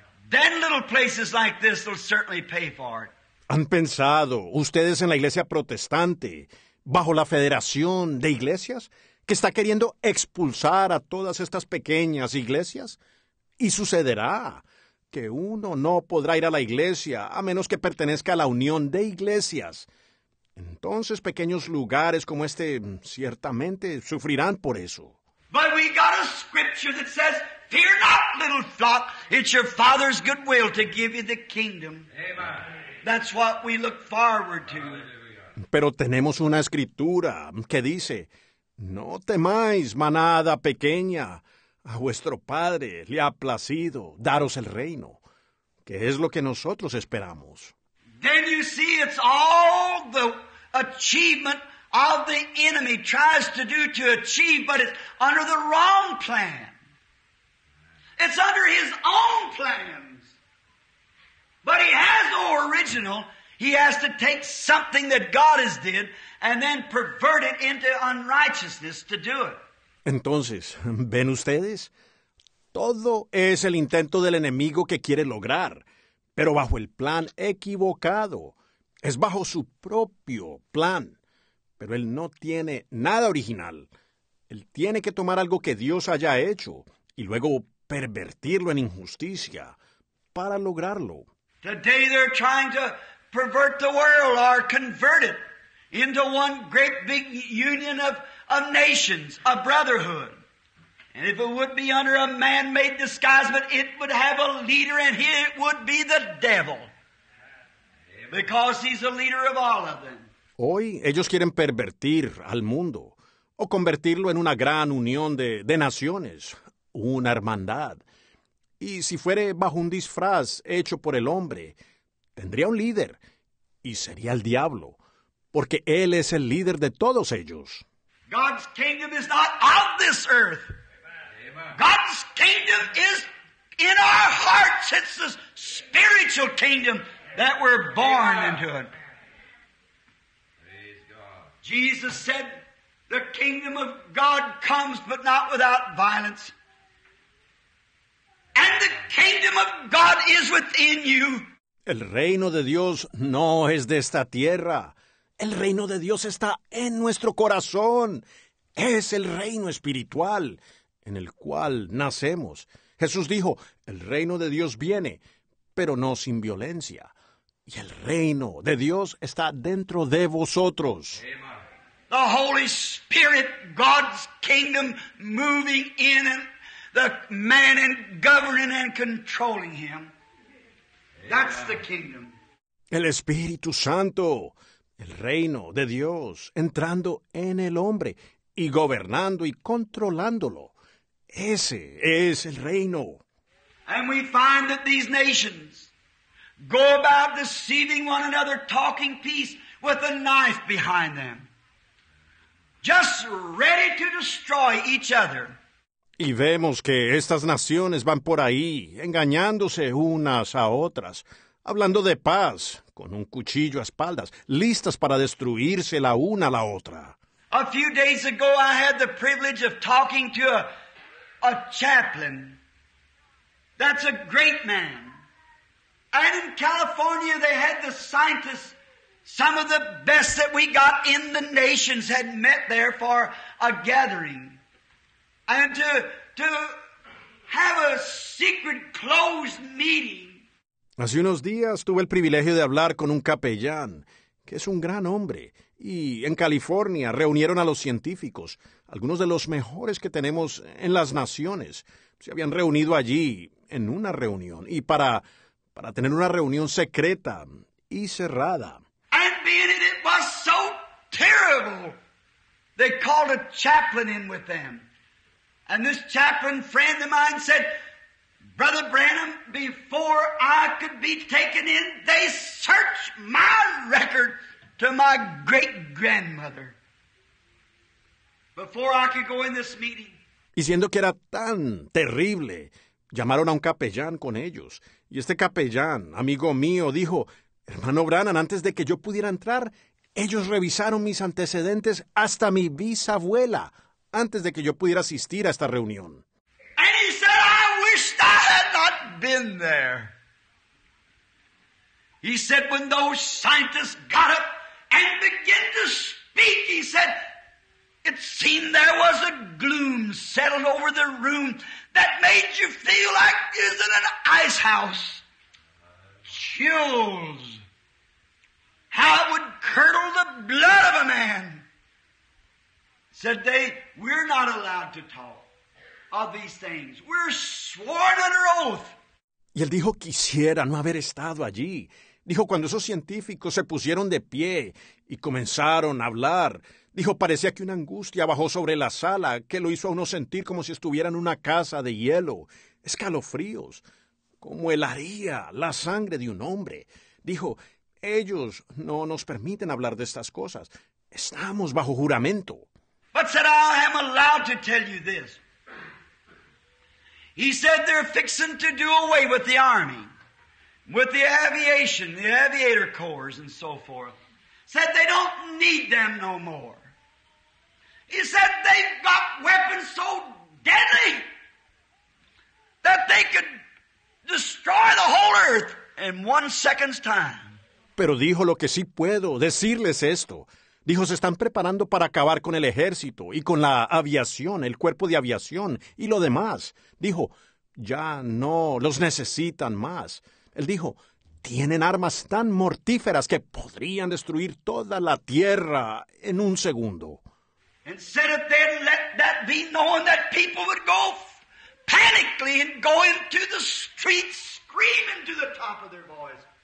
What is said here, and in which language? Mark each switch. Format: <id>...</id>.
<en>Then little places like this will certainly pay for it.</en> <es>¿Han pensado ustedes en la iglesia protestante bajo la federación de iglesias que está queriendo expulsar a todas estas pequeñas iglesias? Y sucederá que uno no podrá ir a la iglesia a menos que pertenezca a la unión de iglesias. Entonces, pequeños lugares como este ciertamente sufrirán por eso.</es> <en>But we got a scripture that says, "Fear not, little flock. It's your Father's good will to give you the kingdom." Amen. That's what we look forward to.</en> <es>Pero tenemos una escritura que dice, "No temáis, manada pequeña. A vuestro Padre le ha placido daros el reino." Que es lo que nosotros esperamos.</es> <en>Then you see it's all the achievement of the enemy tries to do to achieve, but it's under the wrong plan. It's under his own plans. But he has no original. He has to take something that God has did and then pervert it into unrighteousness to do it.</en> <es>Entonces, ¿ven ustedes? Todo es el intento del enemigo que quiere lograr, pero bajo el plan equivocado. Es bajo su propio plan, pero él no tiene nada original. Él tiene que tomar algo que Dios haya hecho y luego pervertirlo en injusticia para lograrlo.</es> <en>Today they're trying to pervert the world or convert it into one great big union of nations, a brotherhood. And if it would be under a man-made disguisement, it would have a leader, and he would be the devil. Because he's the leader of all of them.</en> <es>Hoy ellos quieren pervertir al mundo, o convertirlo en una gran unión de naciones, una hermandad. Y si fuere bajo un disfraz hecho por el hombre, tendría un líder, y sería el diablo, porque él es el líder de todos ellos.</es> <en>God's kingdom is not of this earth. God's kingdom is in our hearts. It's the spiritual kingdom that we're born into. Praise God. Jesus said, "The kingdom of God comes, but not without violence." And the kingdom of God is within you.</en> <es>El reino de Dios no es de esta tierra. El reino de Dios está en nuestro corazón. Es el reino espiritual en el cual nacemos. Jesús dijo, el reino de Dios viene, pero no sin violencia. Y el reino de Dios está dentro de vosotros.</es> <en>the Holy Spirit, God's kingdom moving in and the man and governing and controlling him. That's the kingdom.</en> <es>El Espíritu Santo, el reino de Dios, entrando en el hombre y gobernando y controlándolo. Ese es el reino.</es> <en>And we find that these nations go about deceiving one another, talking peace with a knife behind them, just ready to destroy each other.</en> <es>Y vemos que estas naciones van por ahí, engañándose unas a otras, hablando de paz, con un cuchillo a espaldas, listas para destruirse la una a la otra.</es> <en>A few days ago, I had the privilege of talking to a chaplain. That's a great man. And in California, they had the scientists, some of the best that we got in the nations, had met there for a gathering. And to have a secret closed meeting.</en> <es>Hace unos días tuve el privilegio de hablar con un capellán, que es un gran hombre. Y en California reunieron a los científicos, algunos de los mejores que tenemos en las naciones. Se habían reunido allí en una reunión. Y para tener una reunión secreta y cerrada.</es> <en>And being it was so terrible, they called a chaplain in with them. And this chaplain friend of mine said, Brother Branham, before I could be taken in, they searched my record to my great-grandmother. Before I could go in this meeting.</en> <es>Y siendo que era tan terrible, llamaron a un capellán con ellos. Y este capellán, amigo mío, dijo, hermano Branham, antes de que yo pudiera entrar, ellos revisaron mis antecedentes hasta mi bisabuela, antes de que yo pudiera asistir a esta reunión.</es> <en>And he said, I wished I had not been there. He said, when those scientists got up and began to speak, he said, it seemed there was a gloom settled over the room that made you feel like you're in an ice house. Chills. How it would curdle the blood of a man. Said they, we're not allowed to talk of these things. We're sworn under oath.</en> <es>Y él dijo, quisiera no haber estado allí. Dijo, cuando esos científicos se pusieron de pie y comenzaron a hablar, dijo, parecía que una angustia bajó sobre la sala que lo hizo a uno sentir como si estuviera en una casa de hielo. Escalofríos, como helaría la sangre de un hombre. Dijo, ellos no nos permiten hablar de estas cosas. Estamos bajo juramento.</es> <en>But said, I am allowed to tell you this. He said, they're fixing to do away with the army, with the aviation, the aviator corps and so forth. Said, they don't need them no more. He said, they've got weapons so deadly that they could destroy the whole earth in 1 second's time.</en> <es>Pero dijo, lo que sí puedo decirles esto. Dijo, se están preparando para acabar con el ejército y con la aviación, el cuerpo de aviación y lo demás. Dijo, ya no los necesitan más. Él dijo, tienen armas tan mortíferas que podrían destruir toda la tierra en 1 segundo.</es> <en>And said if they let that be known that people would go panically and go into the streets screaming to the top of their voice.</en>